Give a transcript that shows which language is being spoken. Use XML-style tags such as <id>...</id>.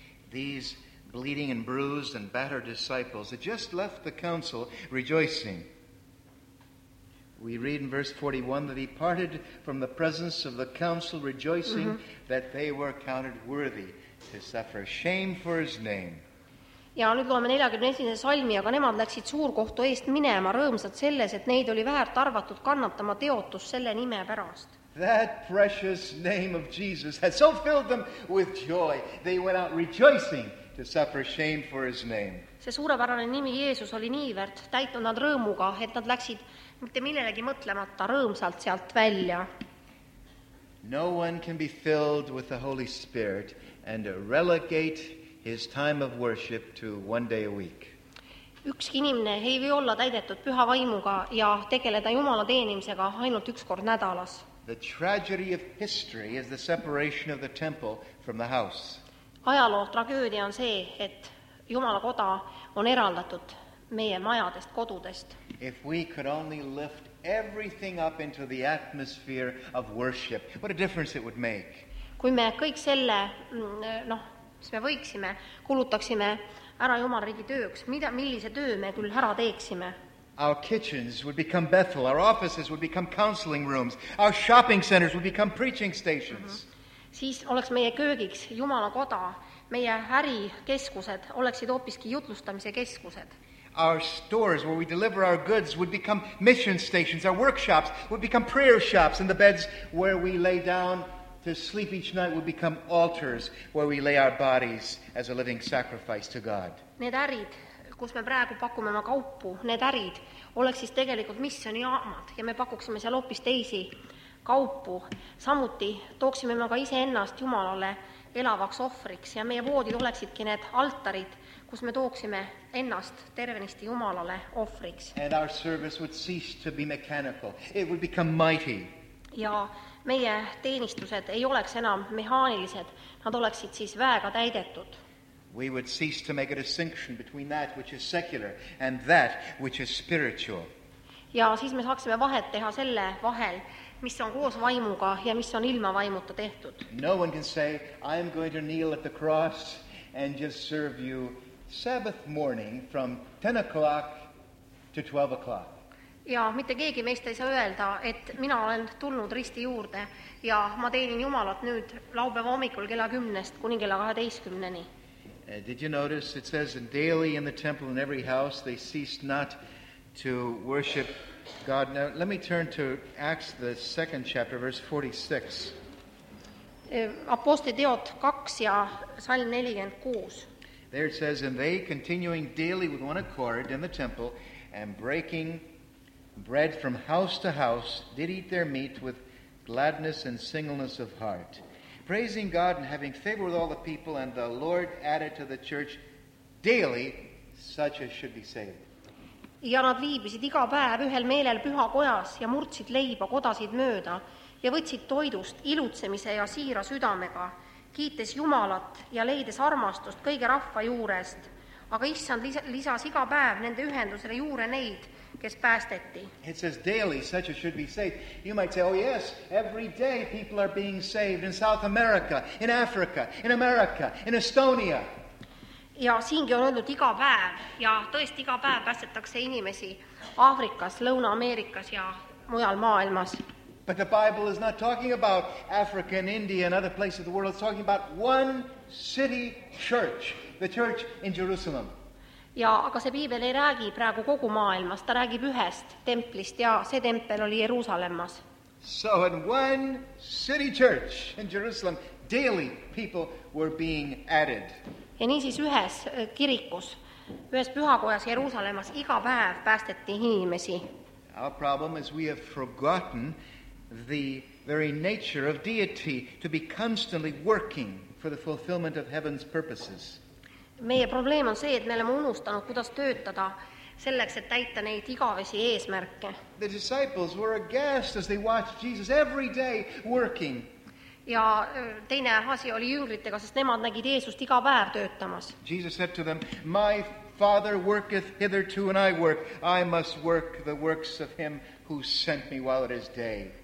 <en>These bleeding and bruised and battered disciples had just left the council rejoicing. We read in verse 41 that he parted from the presence of the council rejoicing that they were counted worthy to suffer shame for his name.</en> <et>Ja nüüd loeme 41. Salmi, aga nemad läksid suurkohtu eest minema rõõmsad selles, et neid oli väärt arvatud kannatama teotus selle nime pärast.</et> <en>That precious name of Jesus had so filled them with joy. They went out rejoicing to suffer shame for his name.</en> <et>See suurepärane nimi Jeesus oli niivärt täitnud nad rõõmuga, et nad läksid mitte millelegi mõtlemata rõõmsalt sealt välja.</et> <en>No one can be filled with the Holy Spirit and relegate his time of worship to one day a week.</en> <et>Ükski inimene ei või olla täidetud püha vaimuga ja tegeleda Jumala teenimisega ainult üks kord nädalas.</et> <en>The tragedy of history is the separation of the temple from the house.</en> <et>Ajaloo tragöödia on see, et Jumala koda on eraldatud meie majadest, kodudest.</et> <en>If we could only lift everything up into the atmosphere of worship, what a difference it would make.</en> <et>Kui me kõik selle, mis me võiksime, kulutaksime ära Jumal riigi tööks, millise töö me küll ära teeksime.</et> <en>Our kitchens would become Bethel, our offices would become counseling rooms, our shopping centers would become preaching stations.</en> <et>Siis oleks meie köögiks Jumala koda, meie äri keskused oleksid hoopiski jutlustamise keskused.</et> <en>Our stores where we deliver our goods would become mission stations, our workshops would become prayer shops, and the beds where we lay down to sleep each night would become altars where we lay our bodies as a living sacrifice to God.</en> <et>Need ärid, kus me praegu pakume oma kaupu, need ärid oleks siis tegelikult missioni jaamad ja me pakuksime seal hoopis teisi kaupu. Samuti tooksime me ka ise ennast Jumalale elavaks ohvriks ja meie voodid oleksidki need altarid, kus me tooksime ennast tervenisti Jumalale ohvriks.</et> <en>And our service would cease to be mechanical. It would become mighty.</en> <et>Ja meie teenistused ei oleks enam mehaanilised, nad oleksid siis väega täidetud.</et> <en>We would cease to make a distinction between that which is secular and that which is spiritual.</en> <et>Ja siis me saaksime vahet teha selle vahel, mis on koos vaimuga ja mis on ilma vaimuta tehtud.</et> <en>No one can say, I am going to kneel at the cross and just serve you Sabbath morning from 10 o'clock to 12 o'clock.</en> <et>Ja mitte keegi meist ei saa öelda, et mina olen tulnud risti juurde ja ma teenin Jumalat nüüd laupäeva hommikul kella 10:st kuni kella 12:ni.</et> <en>Did you notice it says in daily in the temple in every house they ceased not to worship God. Now let me turn to Acts the second chapter verse 46.</en> <et>Apostliteod 2 ja salm 46.</et> <en>There it says and they continuing daily with one accord in the temple and breaking bread from house to house did eat their meat with gladness and singleness of heart, praising God and having favor with all the people, and the Lord added to the church daily such as should be saved.</en> <et>Ja nad viibisid iga päev ühel meelel püha kojas ja murtsid leiba kodasid mööda ja võtsid toidust ilutsemise ja siira südamega, kiites Jumalat ja leides armastust kõige rahva juurest. Aga Issand lisas iga päev nende ühendusele juure neid, kes päästeti.</et> <en>It says daily, such as should be saved. You might say, oh yes, every day people are being saved in South America, in Africa, in America, in Estonia.</en> <et>Ja siingi on olnud iga päev ja tõesti iga päev päästetakse inimesi Aafrikas, Lõuna-Ameerikas ja mujal maailmas.</et> <en>But the Bible is not talking about Africa and India and other places of the world. It's talking about one city church, the church in Jerusalem.</en> <et>Ja aga see piibel ei räägi praegu kogu maailmas, ta räägib ühest templist ja see tempel oli Jerusalemmas.</et> <en>So in one city church in Jerusalem, daily people were being added.</en> <et>Ja nii siis ühes kirikus, ühes pühakojas Jerusalemmas iga päev päästeti inimesi.</et> <en>Our problem is we have forgotten the very nature of deity to be constantly working for the fulfillment of heaven's purposes.</en> <et>Meie probleem on see, et me oleme unustanud, kuidas töötada selleks, et täita neid igavesi eesmärke.</et> <en>The disciples were aghast as they watched Jesus every day working.</en> <et>Ja teine asi oli jüngritega, sest nemad nägid Jeesust iga päev töötamas.</et> <en>Jesus said to them, my father worketh hitherto and I work. I must work the works of him who sent me while it is day.</en>